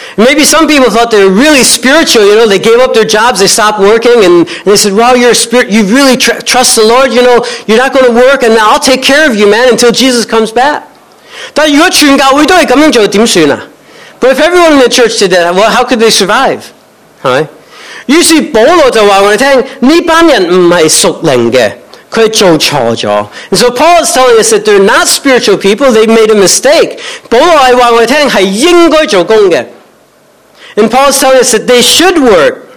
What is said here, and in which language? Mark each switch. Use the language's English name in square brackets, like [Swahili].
[English] Maybe some people thought they were really spiritual, you know, they gave up their jobs, they stopped working, and they said, well, you're a spirit, you really trust the Lord, you know, you're not going to work, and I'll take care of you, man, until Jesus comes back. [Chinese] 但如果全教会都是这样做,怎么办? [English] But if everyone in the church did that, well, how could they survive? Right? [Chinese] 于是保罗就告诉我们,这帮人不是属灵的,他做错了。 [English] And so Paul is telling us that they're not spiritual people, they made a mistake. [Chinese] 保罗告诉我们,是应该做工的。 [English] And Paul is telling us that they should work.